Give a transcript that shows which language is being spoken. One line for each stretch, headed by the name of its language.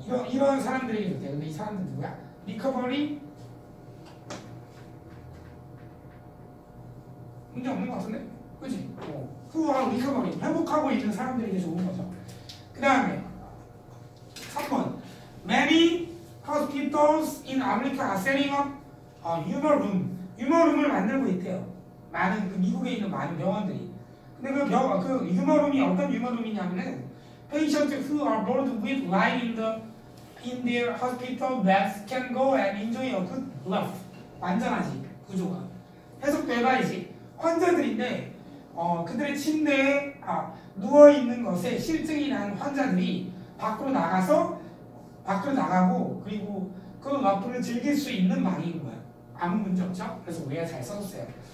Korean: 이런 사람들이 좋대. 근데 이 사람들 누구야? Recovery 문제 없는 것 같은데? 그치? 후하고 리커버리, 회복하고 있는 사람들에게 좋은 거죠. 그 다음에 3번
English: Many hospitals in America are setting up humor room을
Korean: 만들고 있대요. 많은 그 미국에 있는 많은 병원들이. 근데 그 humor room이 어떤 humor room이냐면은
English: patients who are bored with lying in their hospital beds can go and enjoy a good laugh.
Korean: 완전하지 구조가. 해석돼봐야지. 환자들인데 그들의 침대에 누워 있는 것에 실증이 난 환자들이 밖으로 나가고 그리고 그 러프를 즐길 수 있는 방인 거야. 아무 문제 없죠? 그래서 우리가 잘 써줬어요.